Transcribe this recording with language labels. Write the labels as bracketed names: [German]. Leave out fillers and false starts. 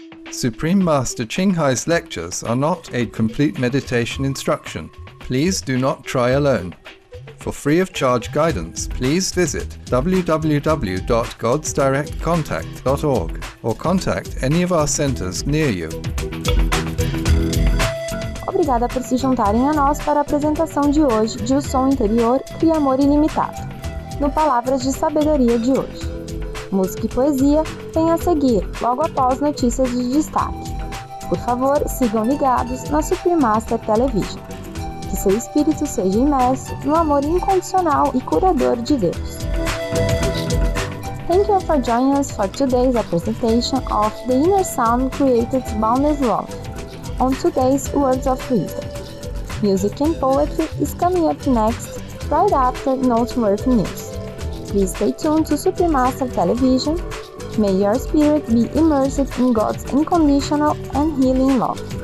[English] Supreme Master Qinghai's lectures are not a complete meditation instruction. Please do not try alone. For free of charge guidance, please visit www.godsdirectcontact.org or contact any of our centers near you. [Portuguese] Obrigada por se juntarem a nós para a apresentação de hoje de O Som Interior Cria Amor Ilimitado, no Palavras de Sabedoria de hoje. Música e poesia vem a seguir, logo após notícias de destaque. Por favor, sigam ligados na Supreme Master Television. Que seu espírito seja imerso no amor incondicional e curador de Deus. [English] Thank you for joining us for today's presentation of The Inner Sound Created Boundless Love on today's Words of Freedom. Music and Poetry is coming up next, right after Noteworthy News. Please stay tuned to Supreme Master Television. May your spirit be immersed in God's unconditional and healing love.